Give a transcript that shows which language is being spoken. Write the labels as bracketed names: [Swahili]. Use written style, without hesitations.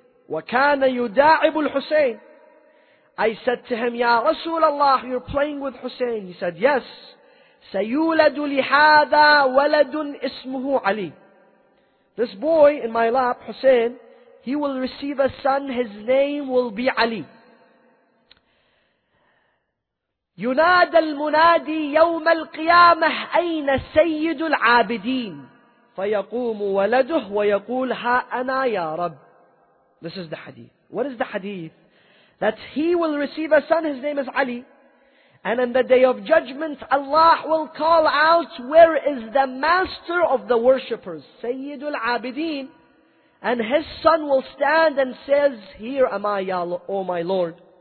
[Arabic] وَكَانَ يُدَاعِبُ الْحُسَيْنِ [English] I said to him, Ya Rasulullah, you're playing with Hussein. He said, yes. [Arabic] سَيُولَدُ لِحَاذَا وَلَدٌ إِسْمُهُ عَلِيٍ [English] This boy in my lap, Hussein, he will receive a son, his name will be Ali. [Arabic] ينادى المنادي يوم القيامة أين سيد العابدين فيقوم ولده ويقول ها أنا يا رب [English] This is the hadith. What is the hadith? That he will receive a son, his name is Ali. And on the day of judgment, Allah will call out, where is the master of the worshippers? [Arabic] سيد العابدين. [English] And his son will stand and says, here am I, O my Lord.